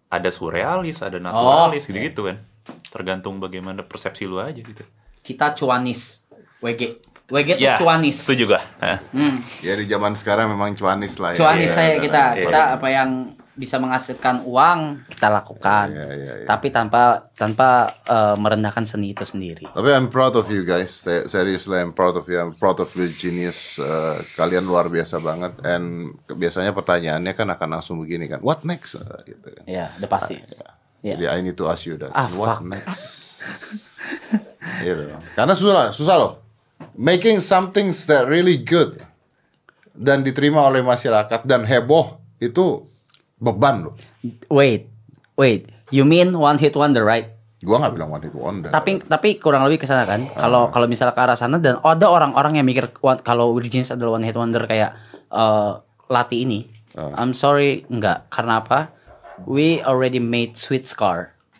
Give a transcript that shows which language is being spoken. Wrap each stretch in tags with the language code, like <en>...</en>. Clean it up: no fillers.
<id>Ada surrealis, ada naturalis, gitu-gitu kan. Tergantung bagaimana persepsi lu aja gitu. Kita cuanis. WG itu ya, cuanis. Itu juga. Ya di zaman sekarang memang cuanis lah ya. Cuanis saya kita. Iya. Kita apa yang bisa menghasilkan uang kita lakukan, iya. Tapi tanpa merendahkan seni itu sendiri. Tapi</id> <en>I'm proud of you guys, seriously I'm proud of you, I'm proud of your genius.</en> <id>Kalian luar biasa banget. And biasanya pertanyaannya kan akan langsung begini kan,</id> <en>what next?</en> <id>Gitu kan. Ya, udah pasti. Jadi</id> <en>I need to ask you that. What next?</en> <id>Karena susah loh,</id> <en>making something that really good</en> <id>dan diterima oleh masyarakat dan heboh itu beban lo.</id> <en>Wait. You mean one hit wonder, right?</en> <id>Gua enggak bilang one hit wonder. Tapi kurang lebih ke sana kan. Kalau misalnya ke arah sana dan ada orang-orang yang mikir kalau Origins adalah one hit wonder kayak Lati ini.</id> <en>I'm sorry,</en> <id>enggak. Karena apa?</id> <en>We already made Sweet Scar.</en>